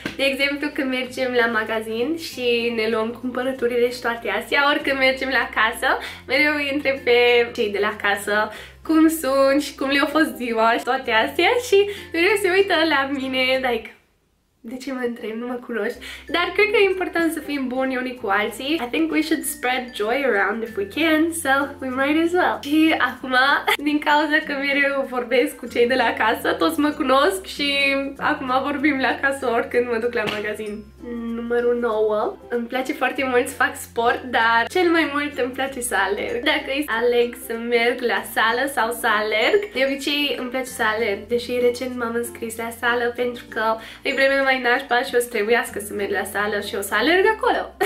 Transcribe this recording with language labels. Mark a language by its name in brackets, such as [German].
[Romanian] De exemplu, când mergem la magazin și ne luăm cumpărăturile și toate astea, ori când mergem la casă, mereu îi întreb pe cei de la casă cum sunt și cum le-a fost ziua și toate astea și mereu se uită la mine, like... De ce mă întreb? Nu mă cunoști. Dar cred că e important să fim buni unii cu alții. [English] I think we should spread joy around if we can, so we might as well. [Romanian] Și acum, din cauza că mereu vorbesc cu cei de la casă, toți mă cunosc și acum vorbim la casă oricând mă duc la magazin. Numărul 9. Îmi place foarte mult să fac sport, dar cel mai mult îmi place să alerg. Dacă aleg să merg la sală sau să alerg, de obicei îmi place să alerg, deși recent m-am înscris la sală pentru că e vreme mai nașpa și o să trebuiască să merg la sală și o să alerg acolo.